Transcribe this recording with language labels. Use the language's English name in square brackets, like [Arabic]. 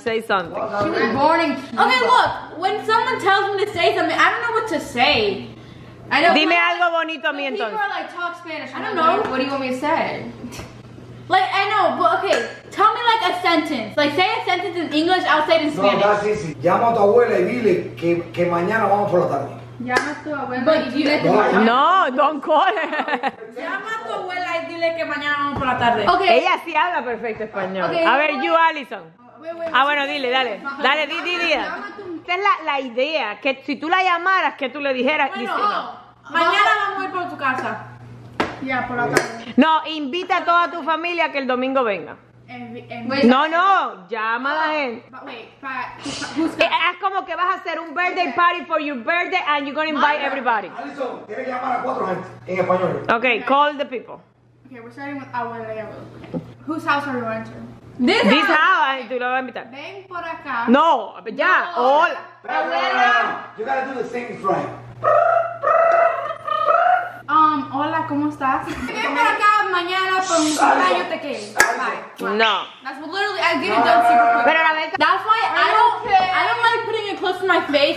[English] Say something. She was born in Cuba. Okay, look, when someone tells me to say something, I don't know what to say. I know. [Spanish] Dime algo bonito a mí entonces. [English] People are like, talk Spanish. I don't know. What do you want me to say? Like, I know, but okay, tell me like a sentence. Like, say a sentence in English, I'll say it in Spanish. No, that's easy. [Spanish] Llama a tu abuela y dile que mañana vamos por la tarde. [English] No, don't call her. [Spanish] Llama a tu abuela y dile que mañana vamos por la tarde. Okay. Ella sí habla perfecto español. Okay, a ver, you, Allison. [English] Wait, [Spanish] dile, dale. Dale, di, di. Esta es la idea, que si tú la llamaras, que tú le dijeras. Bueno, dice, mañana vamos a ir por tu casa. Ya, por la tarde. No, invita a toda tu familia que el domingo venga. Llama a la gente. Es como que vas a hacer un [English] birthday party for your birthday and you're gonna invite everybody. [Spanish] Allison, tiene que llamar a cuatro gente en español. [English] Okay, call the people. Okay, we're starting with Abuela. Whose house are we going to? This house, [Spanish] tú lo vas a invitar. Ven por acá. No, ya, no, hola. [English] Abuela. You gotta do the same thing. [Spanish] Hola, ¿cómo estás? Ven por acá mañana por mi cumpleaños te quedé. No. [English] That's literally, I get it done super quick. That's why I don't like putting it close to my face.